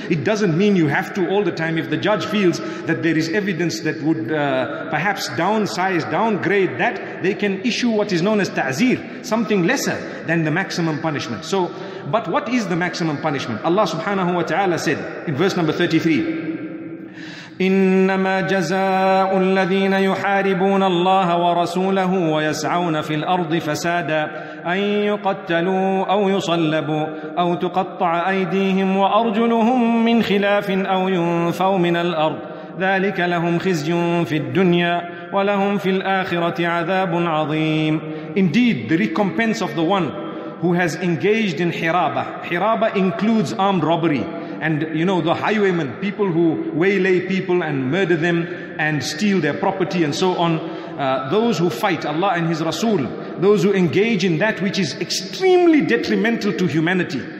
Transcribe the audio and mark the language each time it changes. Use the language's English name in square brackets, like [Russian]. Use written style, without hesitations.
[English] It doesn't mean you have to all the time. If the judge feels that there is evidence that would perhaps downsize, downgrade that, they can issue what is known as ta'zir, something lesser than the maximum punishment. So, but what is the maximum punishment? Allah subhanahu wa ta'ala said in verse number 33, [Arabic] إنما جزاء الذين يحاربون الله ورسوله ويسعون في الأرض فسادا أن يقتلوا أو يصلبوا أو تقطع أيديهم وأرجلهم من خلاف أو ينفوا من الأرض ذلك لهم خزي في الدنيا ولهم في الآخرة عذاب عظيم. [English] Indeed, the recompense of the one who has engaged in حرابة. حرابة includes armed robbery. And you know, the highwaymen, people who waylay people and murder them and steal their property and so on. Those who fight Allah and His Rasul, those who engage in that which is extremely detrimental to humanity.